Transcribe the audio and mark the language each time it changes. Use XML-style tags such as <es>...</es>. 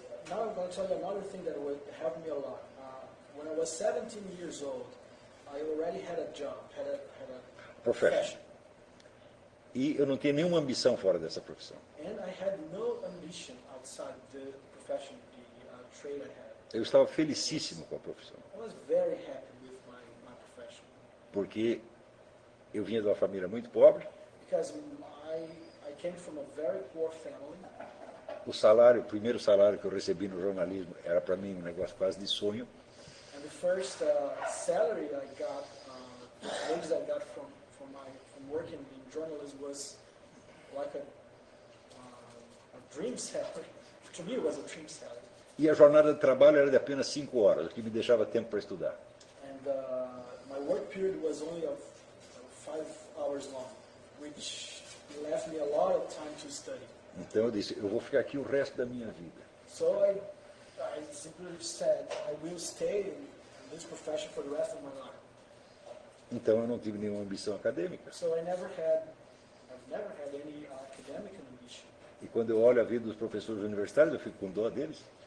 <en>Now I'm going to tell you another thing that helped me a lot. When I was 17 years old, I already had a job, had a profession.</en> <pt>E eu não tinha nenhuma ambição fora dessa profissão.</pt> <en>And I had no ambition outside the profession, the trade I had.</en> <pt>Eu estava felicíssimo com a profissão.</pt> <en>I was very happy with my profession.</en> <pt>Porque eu vinha de uma família muito pobre.</pt> <en>Because I came from a very poor family.</en> <pt>O salário, o primeiro salário que eu recebi no jornalismo era para mim um negócio quase de sonho.</pt> <en>And the first salary I got, wages I got from working in journalism was like a dream salary. To me it was a dream salary.</en> <pt>E a jornada de trabalho era de apenas 5 horas, o que me deixava tempo para estudar.</pt> <en>And my work period was only of 5 hours long, which left me a lot of time to study.</en> <pt>Então eu disse, eu vou ficar aqui o resto da minha vida.</pt> <en>So I simply said I will stay in this profession for the rest of my life.</en> <pt>Então eu não tive nenhuma ambição acadêmica.</pt> <en>So I've never had any academic ambition.</en> <pt>E quando eu olho a vida dos professores universitários, eu fico com dó deles.</pt>